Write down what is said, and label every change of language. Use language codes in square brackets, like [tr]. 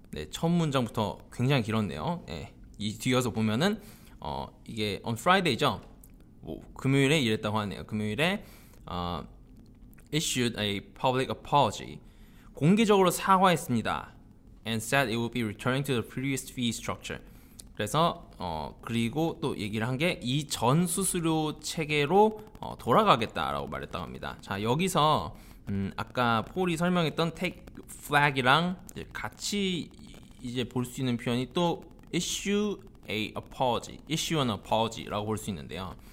[ko] 첫 문장부터 굉장히 길었네요. 네, 이 뒤어서 보면은 이게 [en] on Friday [ko] 죠. 뭐 금요일에 이랬다고 하네요. 금요일에 [en] issued a public apology. [ko] 공개적으로 사과했습니다. [en] And said it would be returning to the previous fee structure. [ko] 그래서 그리고 또 얘기를 한 게 이전 수수료 체계로 돌아가겠다라고 말했다고 합니다. 자 여기서 아까 폴이 설명했던 take flag이랑 이제 같이 이제 볼 수 있는 표현이 또 [en] issue a apology, issue an apology [ko] 라고 볼 수 있는데요.